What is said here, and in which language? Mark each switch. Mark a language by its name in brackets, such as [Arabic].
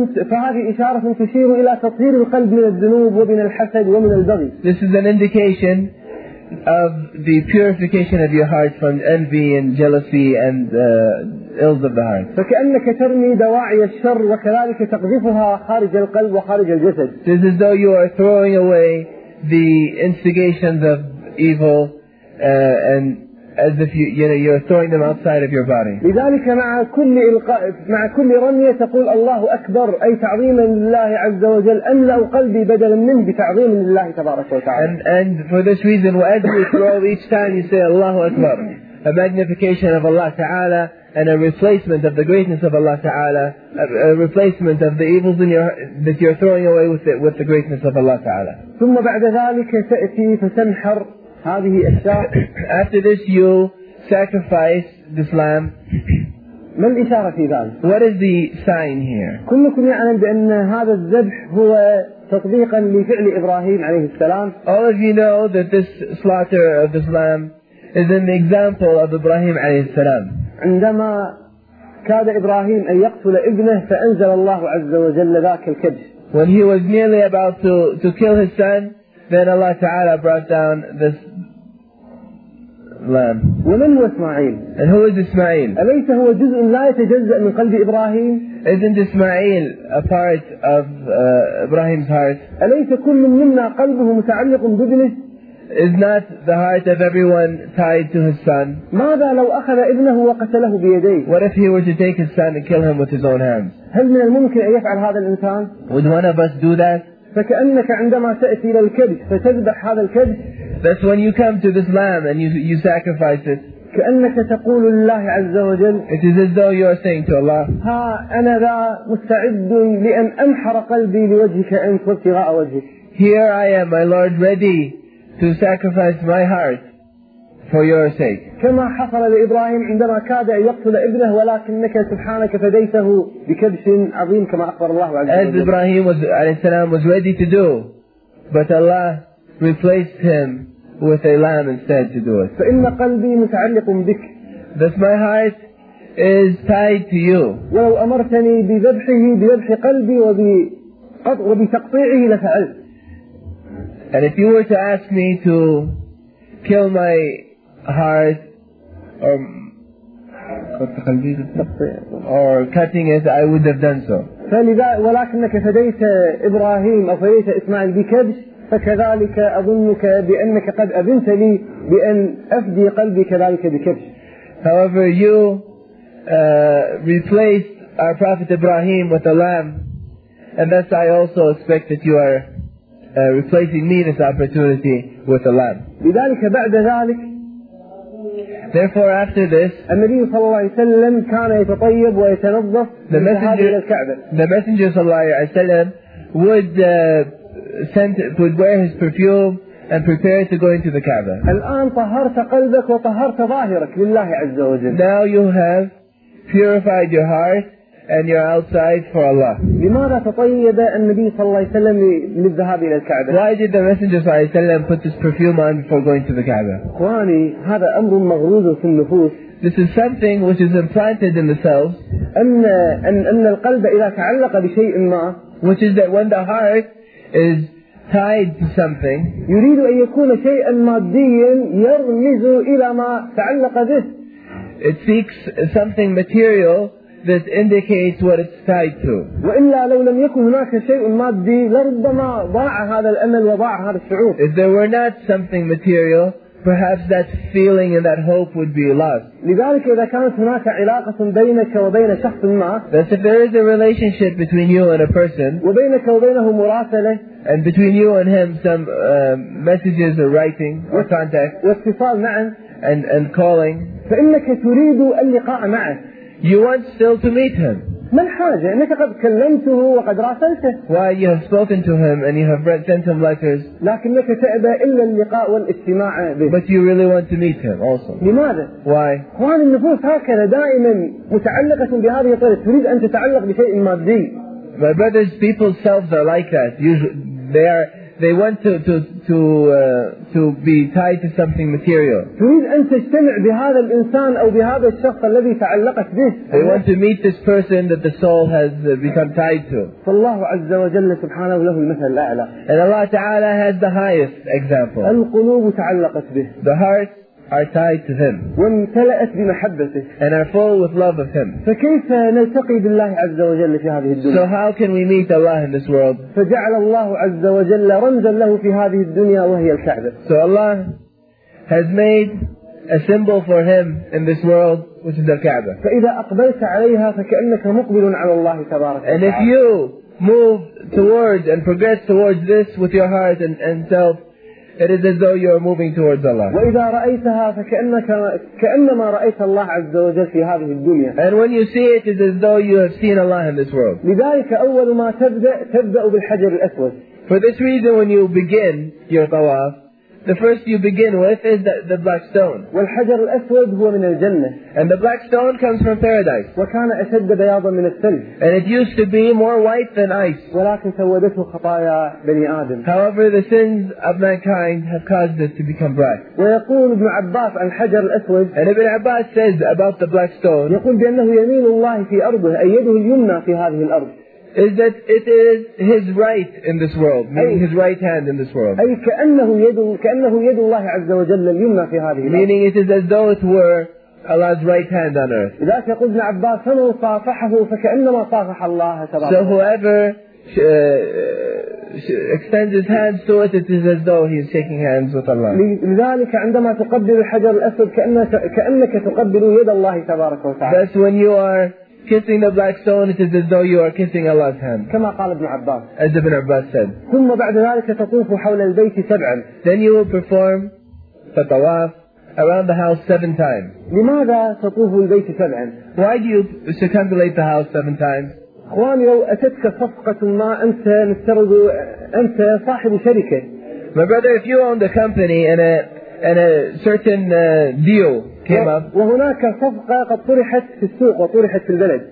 [Arabic] فهذه إشارة تشير إلى تطهير القلب من الذنوب ومن الحسد ومن البغي. [English] This is an indication of the purification of your heart from envy and jealousy and ills of the heart. [Arabic] فكأنك ترمي دواعي الشر وكذلك تقذفها خارج القلب وخارج الجسد. [English] This is though you are throwing away the instigations of evil and as if you're throwing them outside of your body. [Arabic] لذلك مع كل رمية تقول الله أكبر أي تعظيما لله عز وجل أملأ قلبي بدلا منه بتعظيم لله تبارك وتعالى. [English] And for this reason, as you throw each time, you say [Arabic] Allahu Akbar, [English] a magnification of Allah Ta'ala and a replacement of the greatness of Allah Ta'ala, a replacement of the evils in your that you're throwing away with the greatness of Allah Ta'ala. [Arabic] ثم بعد ذلك تأتي فتنحر هذه الإشارة. [English] After this, you sacrifice this lamb. [Arabic] ما الإشارة في ذلك؟ [English] What is the sign here? [Arabic] كلكم يعلم بأن هذا الذبح هو تطبيقا لفعل إبراهيم عليه السلام. [English] All of you know that this slaughter of this lamb is an example of Ibrahim [Arabic] عليه السلام. عندما كاد إبراهيم أن يقتل ابنه فأنزل الله عز وجل ذاك الكبش. [English] When he was nearly about to kill his son, then Allah Ta'ala brought down this lamb. [Arabic] ومن هو إسماعيل؟ [English] And who is Ismail? [Arabic] أليس هو جزء لا يتجزأ من قلب إبراهيم؟ [English] Isn't Ismail a part of Ibrahim's heart? [Arabic] أليس كل منا قلبه متعلق بابنه؟ [English] is not the heart of everyone tied to his son? [Arabic] ماذا لو أخذ ابنه وقتله بيديه? [English] What if he were to take his son and kill him with his own hands? [Arabic] هل من الممكن أن يفعل هذا الإنسان? [English] Would one of us do that? [Arabic] فكأنك عندما تأتي إلى الكبش فتذبح هذا الكبش. [English] That's when you come to this lamb and you sacrifice it. [Arabic] كأنك تقول لله عز وجل. [English] It is as though you are saying to Allah. [Arabic] ها أنا ذا مستعد لأن أنحر قلبي لوجهك إن كنت غاء وجهك. [English] Here I am, my Lord, ready to sacrifice my heart for your sake. [Arabic] كما حصل لإبراهيم عندما كاد أن يقتل ابنه ولكنك سبحانك فديته بكبش عظيم كما أخبر الله عز وجل. [English] As Ibrahim [Arabic] عليه السلام [English] was ready to do, but Allah replaced him with a lamb instead to do it. [Arabic] فإن قلبي متعلق بك. [English] Thus my heart is tied to you. [Arabic] ولو أمرتني بذبحه بذبح قلبي وبتقطيعه لفعلت. [English] And if you were to ask me to kill my heart or cutting it, I would have done so. [Arabic] ولكنك فديت إبراهيم أو فديت إسماعيل بكبش فكذلك أظنك بأنك قد أذنت لي بأن أفدي قلبي كذلك بكبش. [English] However, you replaced our prophet Ibrahim with a lamb, and thus I also expect that you are replacing me this opportunity with a lamb. [Arabic] بذلك بعد ذلك. [English] Therefore, after this, [Arabic] النبي صلى الله عليه وسلم كان يتطيب ويتنظف إلى الكعبة. [English] The messenger [Arabic] صلى الله عليه وسلم [English] would wear his perfume and prepare to go into the Kaaba. [Arabic] الآن طهرت قلبك وطهرت ظاهرك لله عز وجل. [English] Now you have purified your heart and you're outside for Allah. [Arabic] لماذا تطيب النبي صلى الله عليه وسلم للذهاب إلى الكعبة? [English] Why did the Messenger [Arabic] صلى الله عليه وسلم [English] put this perfume on before going to the Kaaba? [Arabic] إخواني هذا أمر مغروز في النفوس. [English] This is something which is implanted in the cells. [Arabic] أن القلب إذا تعلق بشيء ما. [English] Which is that when the heart is tied to something. [Arabic] يريد أن يكون شيئا ماديا يرمز إلى ما تعلق به. [English] It seeks something material that indicates what it's tied to. [Arabic] وإلا لو لم يكن هناك شيء مادي لربما ضاع هذا الأمل وضاع هذا الشعور. [English] If there were not something material, perhaps that feeling and that hope would be lost. [Arabic] لذلك إذا كانت هناك علاقة بينك وبين شخص ما. [English] That if there is a relationship between you and a person. [Arabic] وبينك وبينه مراسلة. [English] And between you and him some messages or writing or contact. [Arabic] واتصال معه. [English] And calling. [Arabic] فإنك تريد اللقاء معه. [English] You want still to meet him. [Arabic] ما الحاجة إنك قد كلمته وقد راسلته. [English] Why you have spoken to him and you have sent him letters. [Arabic] لكنك تأبى إلا اللقاء والاستماع به. [English] But you really want to meet him also. [Arabic] لماذا? [English] Why? [Arabic] إخوان النفوس هكذا دائما متعلقة بهذه الطريقة تريد أن تتعلق بشيء مادي. [English] My brothers, people's selves are like that. They want to be tied to something material. [Arabic] تريد أن تجتمع بهذا الإنسان أو بهذا الشخص الذي تعلقت به. [English] They want to meet this person that the soul has become tied to. [Arabic] فالله عز وجل سبحانه له المثل الأعلى. [English] And Allah Ta'ala has the highest example. [Arabic] القلوب تعلقت به. [English] The heart are tied to him. [Arabic] وامتلأت بمحبته. [English] And are full with love of him. [Arabic] فكيف نلتقي بالله عز وجل في هذه الدنيا? [English] So how can we meet Allah in this world? [Arabic] فجعل الله عز وجل رمزا له في هذه الدنيا وهي الكعبة. [English] So Allah has made a symbol for him in this world, which is the Kaaba. [Arabic] فإذا أقبلت عليها فكأنك مقبل على الله تبارك وتعالى. [English] And if you move towards and progress towards this with your heart and self, it is as though you are moving towards Allah. [Arabic] وإذا رأيتها فكأنما رأيت الله عز وجل في هذه الدنيا. [English] And when you see it, it is as though you have seen Allah in this world. [Arabic] لذلك أول ما تبدأ بالحجر الأسود. [English] For this reason, when you begin your tawaf, the first you begin with is the black stone. [Arabic] والحجر الأسود هو من الجنة. [English] And the black stone comes from paradise. [Arabic] وكان أشد بياضا من الثلج. [English] And it used to be more white than ice. [Arabic] ولكن سودته خطايا بني آدم. [English] However, the sins of mankind have caused it to become black. [Arabic] ويقول ابن عباس عن الحجر الأسود. [English] And Ibn Abbas says about the black stone. [Arabic] يقول بأنه يمين الله في أرضه أيده اليمنى في هذه الأرض. [English] Is that it is his right in this world, meaning his right hand in this world. [Arabic] أي كأنه يد الله عز وجل اليمنى في هذه الأرض. [English] Meaning it is as though it were Allah's right hand on earth. [Arabic] إذا قلنا عباس فمن صافحه فكأنما صافح الله تبارك. [English] So whoever extends his hands to it, it is as though he is shaking hands with Allah. [Arabic] لذلك عندما تقبل الحجر الأسود كأنك تقبل يد الله تبارك وتعالى. [English] That's when you are kissing the black stone, it is as though you are kissing Allah's hand. [Arabic] كما قال ابن عباس. [English] As Ibn Abbas said. [Arabic] ثم بعد ذلك تطوف حول البيت سبعا. [English] Then you will perform فطواف around the house 7 times. [Arabic] لماذا تطوف البيت سبعا؟ [English] Why do you circumambulate the house 7 times? [Arabic] إخواني لو أتتك صفقة ما أنت مسترد أنت صاحب شركة. [English] My brother, if you owned a company and a certain deal came up. [Arabic] وهناك صفقة قد طرحت في السوق وطرحت في البلد.